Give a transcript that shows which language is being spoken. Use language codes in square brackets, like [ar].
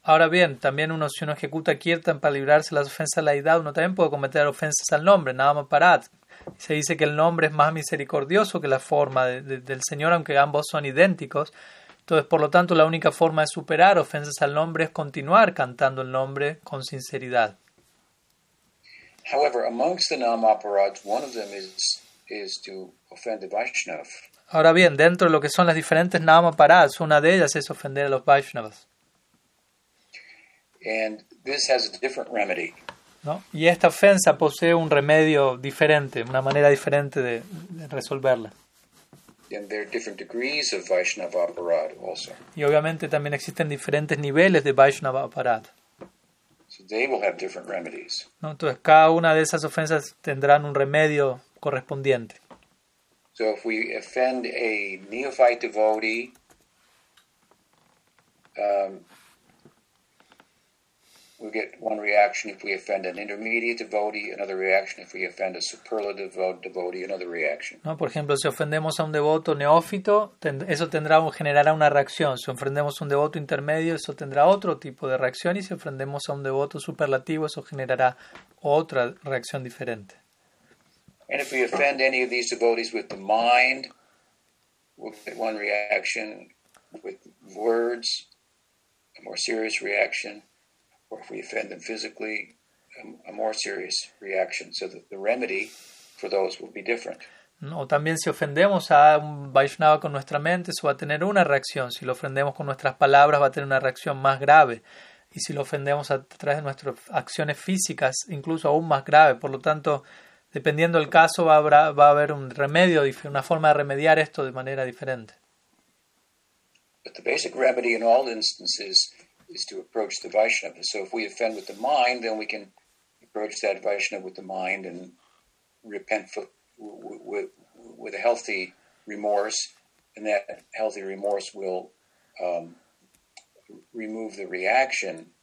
[es] Ahora bien, también uno, si uno ejecuta Kirtan para librarse las ofensas de la deidad, uno también puede cometer ofensas al nombre, Nam Aparad. Se dice que el nombre es más misericordioso que la forma del Señor, aunque ambos son idénticos. Entonces, por lo tanto, la única forma de superar ofensas al nombre es continuar cantando el nombre con sinceridad. [en] However, amongst the Nam Aparads, one of them is to offend the Vaishnav. [es] Ahora bien, dentro de lo que son las diferentes Nam Aparads, una de ellas es ofender a los Vaishnavas. [en] And this has a different remedy. [es] ¿No? Y esta ofensa posee un remedio diferente, una manera diferente de resolverla. [en] And there are different degrees of Vaishnava Aparad also. [es] Y obviamente también existen diferentes niveles de Vaishnava Aparad. [en] So they will have different remedies. [es] ¿No? Entonces cada una de esas ofensas tendrán un remedio correspondiente. [en] So if we offend a neophyte devotee, we get one reaction if we offend an intermediate devotee, another reaction if we offend a superlative devotee, another reaction. [es] No, por ejemplo, si ofendemos a un devoto neófito, eso generará una reacción. Si ofendemos a un devoto intermedio, eso tendrá otro tipo de reacción. Y si ofendemos a un devoto superlativo, eso generará otra reacción diferente. [en] And if we offend any of these devotees with the mind, we'll get one reaction with words, a more serious reaction. Or if we offend them physically, a more serious reaction. So the remedy for those will be different. [es] O también si ofendemos a un Vaishnava con nuestra mente, eso va a tener una reacción. Si lo ofendemos con nuestras palabras, va a tener una reacción más grave. Y si lo ofendemos a través de nuestras acciones físicas, incluso aún más grave. Por lo tanto, dependiendo del caso, va a haber un remedio, una forma de remediar esto de manera diferente. [en] But the basic remedy in all instances is to approach the Vaishnava. So if we offend with the mind, then we can approach that Vaishnava with the mind and repent with a healthy remorse, and that healthy remorse will remove the reaction.